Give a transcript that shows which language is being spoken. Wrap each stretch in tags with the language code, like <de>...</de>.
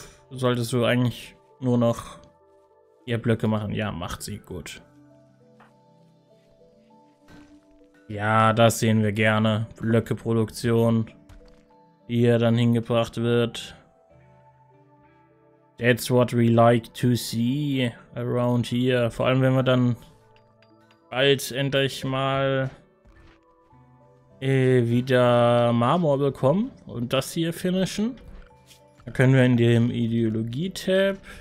<de>Solltest du eigentlich nur noch ihr Blöcke machen. Ja, macht sie gut. Ja, das sehen wir gerne. Blöcke-Produktion, die hier dann hingebracht wird.</de> <en>That's what we like to see around here.</en> <de>Vor allem, wenn wir dann bald endlich mal wieder Marmor bekommen und das hier finishen. Da können wir in dem Ideologie-Tab...</de>